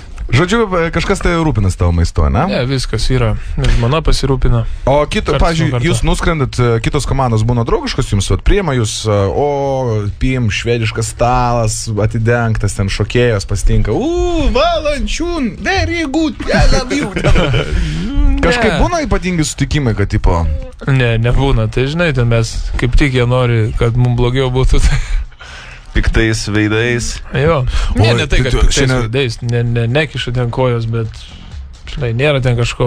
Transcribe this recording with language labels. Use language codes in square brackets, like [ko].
[lt] Žodžiu, kažkas tai rūpinas tavo maisto, ne? Ne, viskas yra. Mano pasirūpina. O kito, pažiūrėjau, jūs nuskrendat, kitos komandos būna draugiškos, jums vat priima jūs, o pim, švediškas stalas, atidengtas, ten šokėjos pastinka. [en] Valančiūn, very good, I love you. [lt] Kažkaip būna ypatingi sutikimai, kad tipo... Ne, nebūna. Tai žinai, ten mes kaip tik jie nori, kad mum blogiau būtų. Piktais veidais. Jo. Ne, oi, ne tai, kad tu, piktais šiandien... veidais. Ne, ne, nekišo ten kojos, bet žinai, nėra ten kažko